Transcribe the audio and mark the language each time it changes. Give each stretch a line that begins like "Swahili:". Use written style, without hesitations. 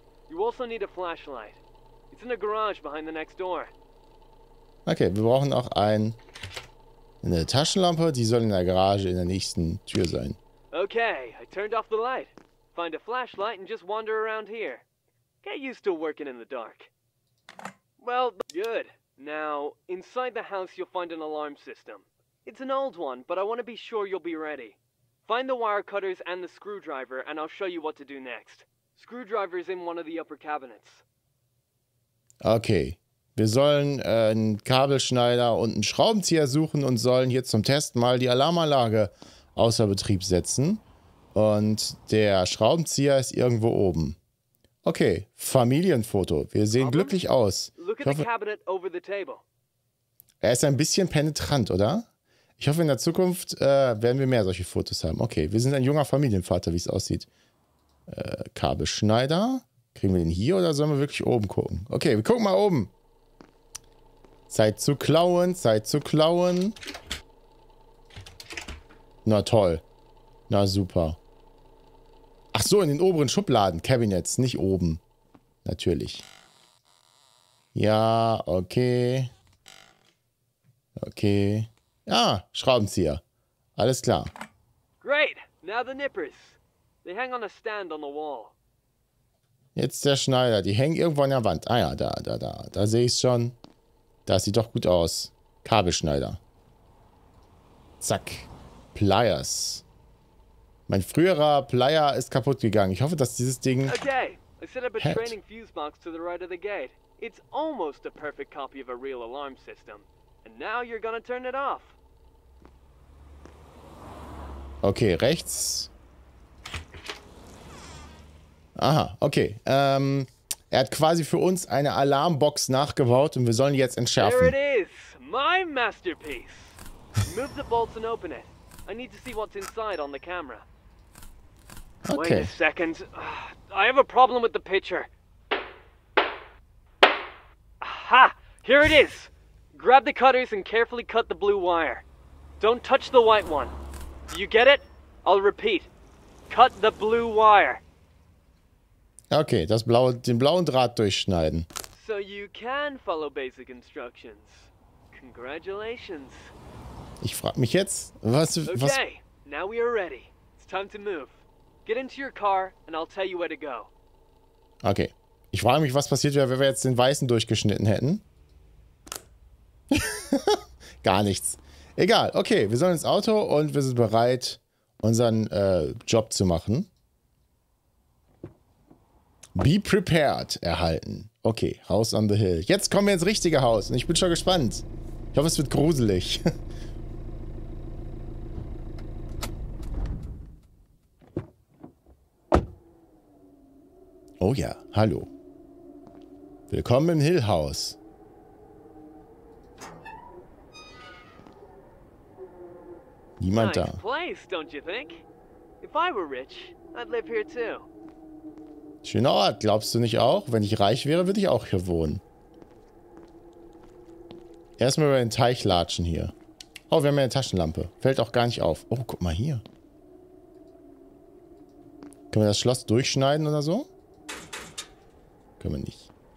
English: You also need a flashlight. It's in a garage behind the next door.
German: Okay, wir brauchen auch eine Taschenlampe, die soll in der Garage in der nächsten Tür sein.
English: Okay, I turned off the light. Find a flashlight and just wander around here. Get used to working in the dark. Well, good. Now, inside the house you'll find an alarm system. It's an old one, but I want to be sure you'll be ready. Find the wire cutters and the screwdriver, and I'll show you what to do next. Screwdriver is in one of the upper cabinets. Okay.
German: Wir sollen einen Kabelschneider und einen Schraubenzieher suchen und sollen hier zum Test mal die Alarmanlage außer Betrieb setzen. Und der Schraubenzieher ist irgendwo oben. Okay. Familienfoto. Wir sehen glücklich aus.
English: Look at the cabinet over the table.
German: Er ist ein bisschen penetrant, oder? Ich hoffe, in der Zukunft werden wir mehr solche Fotos haben. Okay, wir sind ein junger Familienvater, wie es aussieht. Kabelschneider. Kriegen wir den hier oder sollen wir wirklich oben gucken? Okay, wir gucken mal oben. Zeit zu klauen, Zeit zu klauen. Na toll. Na super. Ach so, in den oberen Schubladen. Cabinets, nicht oben. Natürlich. Ja, okay. Okay. Ah, Schraubenzieher. Alles klar.
English: Great. Now the nippers. They hang on a stand on the wall.
German: Jetzt der Schneider. Die hängen irgendwo an der Wand. Ah ja, da. Da sehe ich es schon. Das sieht doch gut aus. Kabelschneider. Zack. Pliers. Mein früherer Plier ist kaputt gegangen. Ich hoffe, dass dieses Ding. Okay.
English: I set up a training fuse box to the right of the gate. It's almost a perfect copy of a real alarm system. And now you're gonna turn it off.
German: Okay, rechts. Aha, okay. Er hat quasi für uns eine Alarmbox nachgebaut und wir sollen jetzt entschärfen.
English: There it is, my masterpiece. Move the bolts and open it. I need to see what's inside on the camera. Okay. Wait a second. I have a problem with the picture. Aha, here it is. Grab the cutters and carefully cut the blue wire. Don't touch the white one. Do you get it? I'll repeat. Cut the blue wire.
German: Okay, den blauen Draht durchschneiden.
English: So you can follow basic instructions. Congratulations.
German: Ich frag mich jetzt, was...
English: Okay, now we are ready. It's time to move. Get into your car and I'll tell you where to go. Okay.
German: Ich frage mich, was passiert wäre, wenn wir jetzt den weißen durchgeschnitten hätten. Gar nichts. Egal, okay, wir sollen ins Auto und wir sind bereit, unseren Job zu machen.
English: Be prepared erhalten. Okay, House on the Hill.
German: Jetzt kommen wir ins richtige Haus und ich bin schon gespannt. Ich hoffe, es wird gruselig. Oh ja, hallo. Willkommen im Hill House. Niemand da.
English: Nice place, don't you think? If I were rich, I'd live here too.
German: Schöner Ort, glaubst du nicht auch? Wenn ich reich wäre, würde ich auch hier wohnen. Erstmal über den Teich latschen hier. Oh, wir haben ja eine Taschenlampe. Fällt auch gar nicht auf. Oh, guck mal hier. Können wir das Schloss durchschneiden oder so? Können wir nicht.